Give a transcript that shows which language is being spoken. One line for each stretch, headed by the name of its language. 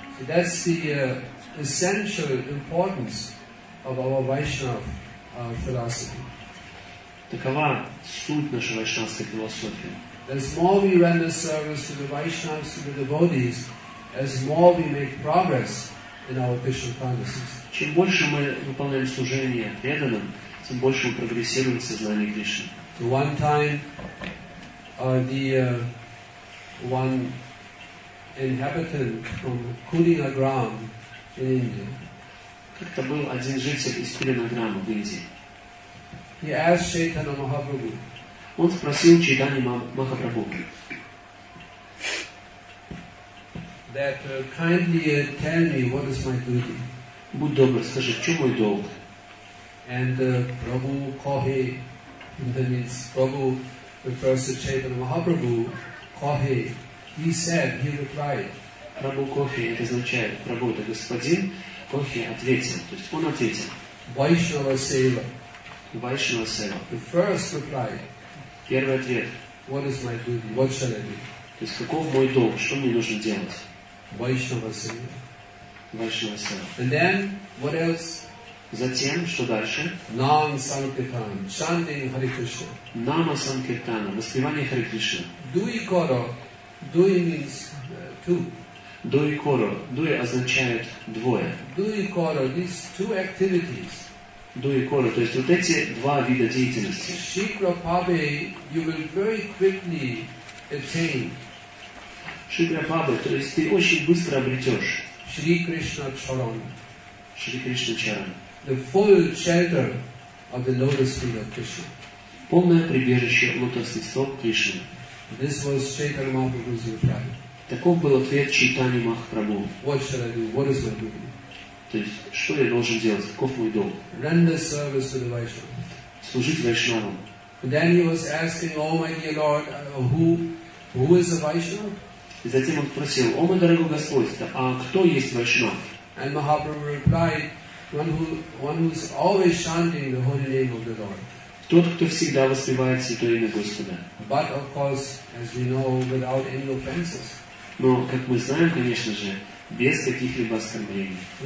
English: So that's the essential importance of our Vaishnava philosophy.
Russian: Такова суть нашей вайшнавской философии.
English: As more we render service to the Vaishnavas, to the devotees, as more we make progress in our Krishna consciousness.
Russian: Чем больше мы выполняем служение преданным, тем больше мы прогрессируем в сознании Кришны.
English: So one time, one inhabitant from Kulinagram in India.
Russian: Как-то был один житель из Кулинаграма в Индии.
English: He asked Chaitanya Mahaprabhu.
Russian: Он спросил Чайтанью Махапрабху.
English: That kindly tell me what is my duty.
Russian: Будь добр, скажи, в чем мой долг?
English: And Prabhu Kohe, that means Prabhu refers to Chaitanya Mahaprabhu, Kohe, he said, he replied.
Russian: Prabhu Kohe, это означает, Prabhu, это господин, Kohe ответил, то есть он ответил.
Bangla: Vaishnava Seva. Vaishnava Seva.
English: The first reply.
Russian: Первый ответ.
English: What is my duty? What shall I do?
Russian: То есть каков мой долг? Что мне нужно делать?
Bangla: Vaishnava Seva. Vaishnava Seva.
English: And then, what else?
Russian: Затем, что дальше?
English: Nama Sankirtana. Chanting Hare Krishna.
Russian: Nama Sankirtana. Воспевание Hare Krishna.
English: Dui Koro. Dui means two.
Russian: Dui Koro. Dui означает двое.
English: Dui Koro. These two activities.
Russian: Дуи Кора, то есть вот эти два вида деятельности.
English: Шри Прабхупаде, you will very quickly attain.
Russian: Шри Прабхупаде, то есть ты очень быстро обретешь.
Bangla: Шри Кришна Чаран. Шри Кришна Чаран.
English: The full shelter of the lotus feet of Krishna.
Russian: Полное прибежище лотосных стоп Кришны.
English: This was Chaitanya Mahaprabhu's reply.
Russian: Таков был ответ Чайтаньи Махапрабху.
English: What shall I do? What is my duty?
Russian: То есть, что я должен делать? Каков мой долг?
English: Render service to the Vaishnava.
Russian: Служить Вайшнавам.
English: Then he was asking, oh my dear Lord, who is a Vaishnava?
Russian: И затем он спросил, о мой дорогой Господь, а кто есть Вайшнав?
English: And Mahaprabhu replied, one who is always chanting the holy name of the Lord.
Russian: Тот, кто всегда воспевает святое имя Господа.
English: But of course, as we know, without any offenses.
Russian: Но, как мы знаем, конечно же, без каких-либо оскорблений.